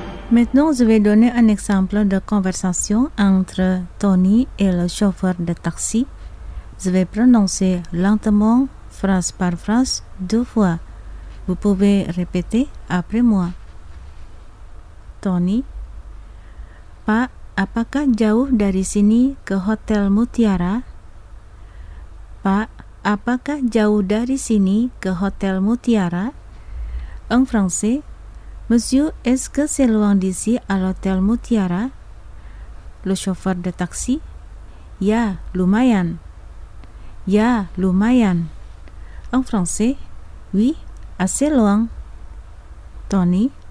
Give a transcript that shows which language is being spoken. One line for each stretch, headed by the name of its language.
French: Maintenant, je vais donner un exemple de conversation entre Tony et le chauffeur de taxi. Je vais prononcer lentement, phrase par phrase, deux fois. Vous pouvez répéter après moi.
Indonesian: Tony, Pak, apakah jauh dari sini ke Hotel Mutiara? Pak, apakah jauh dari sini ke Hotel Mutiara?
French: En français, Monsieur, est-ce que c'est loin d'ici à l'Hôtel Mutiara? Le chauffeur de taxi.
Indonesian: Ya, lumayan. Ya, lumayan.
French: En français. Oui, assez loin. Tony.